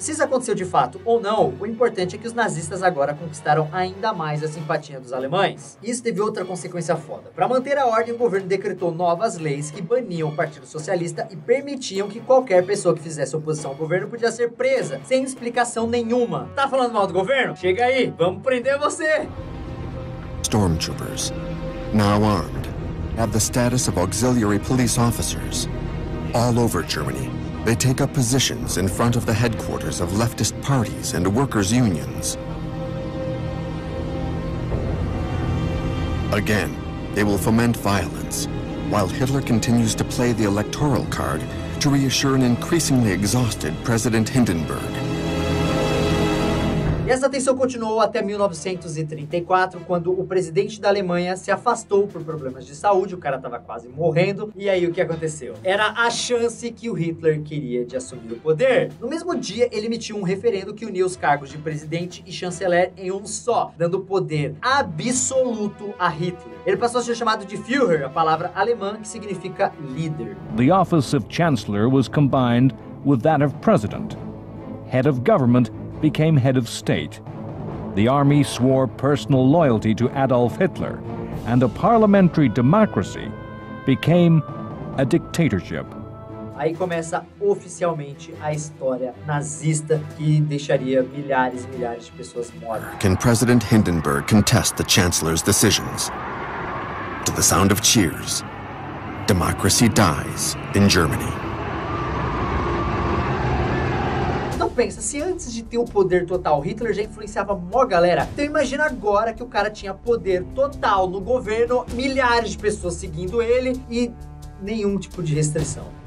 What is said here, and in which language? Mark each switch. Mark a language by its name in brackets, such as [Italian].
[Portuguese] Se isso aconteceu de fato ou não, o importante é que os nazistas agora conquistaram ainda mais a simpatia dos alemães. E isso teve outra consequência foda. Para manter a ordem, o governo decretou novas leis que baniam o Partido Socialista e permitiam que qualquer pessoa que fizesse oposição ao governo podia ser presa, sem explicação nenhuma. Tá falando mal do governo? Chega aí, vamos prender você! [English] Stormtroopers, now armed, have the status of auxiliary police officers. All over Germany, they take up positions in front of the headquarters of leftist parties and workers' unions. Again, they will foment violence, while Hitler continues to play the electoral card to reassure an increasingly exhausted President Hindenburg. [Portuguese] Essa tensão continuou até 1934, quando o presidente da Alemanha se afastou por problemas de saúde, o cara tava quase morrendo, e aí o que aconteceu? Era a chance que o Hitler queria de assumir o poder. No mesmo dia, ele emitiu um referendo que unia os cargos de presidente e chanceler em um só, dando poder absoluto a Hitler. Ele passou a ser chamado de Führer, a palavra alemã que significa líder. [English] The office of chancellor was combined with that of president, head of government, became head of state. The army swore personal loyalty to Adolf Hitler, and a parliamentary democracy became a dictatorship. [Portuguese] Aí começa oficialmente a história nazista que deixaria milhares e milhares de pessoas mortas. [English] Can President Hindenburg contest the Chancellor's decisions? To the sound of cheers, democracy dies in Germany. [Portuguese] Pensa, se antes de ter o poder total, Hitler já influenciava mó galera, então imagina agora que o cara tinha poder total no governo, milhares de pessoas seguindo ele e nenhum tipo de restrição.